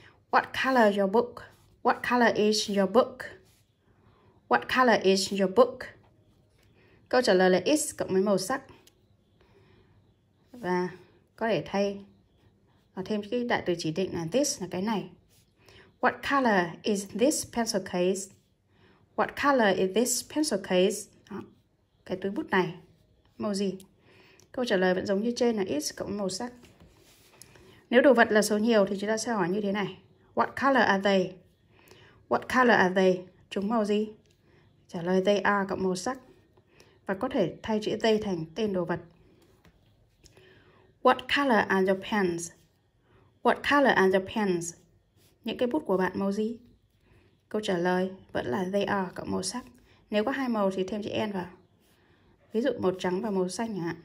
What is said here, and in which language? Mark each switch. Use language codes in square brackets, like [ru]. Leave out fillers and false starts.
[en] What color is your book? What color is your book? What color is your book? [vi] Câu trả lời là is cộng với màu sắc. Và có thể thay và thêm cái đại từ chỉ định là this là cái này. [en] What color is this pencil case? What color is this pencil case? [vi] Đó, cái túi bút này. Màu gì? Câu trả lời vẫn giống như trên là is cộng với màu sắc. Nếu đồ vật là số nhiều thì chúng ta sẽ hỏi như thế này. [en] What color are they? [vi] What color are they? Chúng màu gì? Trả lời they are cộng màu sắc. Và có thể thay chữ they thành tên đồ vật. [en] What color are your pens? What color are your pens? [vi] Những cái bút của bạn màu gì? Câu trả lời vẫn là they are cộng màu sắc. Nếu có hai màu thì thêm chữ and vào. Ví dụ màu trắng và màu xanh nhỉ?